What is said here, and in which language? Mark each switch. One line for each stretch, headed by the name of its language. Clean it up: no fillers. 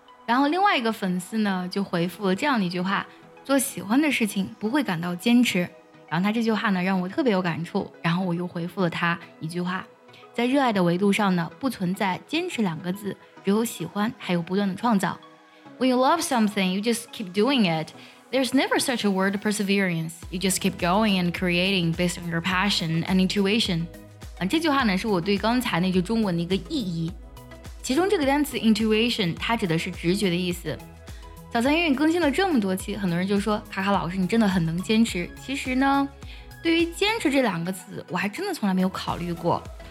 Chinese: 然后另外一个粉丝呢就回复了这样一句话，做喜欢的事情不会感到坚持。然后他这句话呢让我特别有感触，然后我又回复了他一句话，在热爱的维度上呢，不存在坚持两个字，只有喜欢还有不断的创造。
English: When you love something, you just keep doing it. There's never such a word perseverance. You just keep going and creating based on your passion and intuition.
Chinese: 这句话呢是我对刚才那句中文的一个意义。其中这个单词 intuition 它指的是直觉的意思。早餐英语更新了这么多期，很多人就说卡卡老师你真的很能坚持。其实呢，对于坚持这两个字我还真的从来没有考虑过。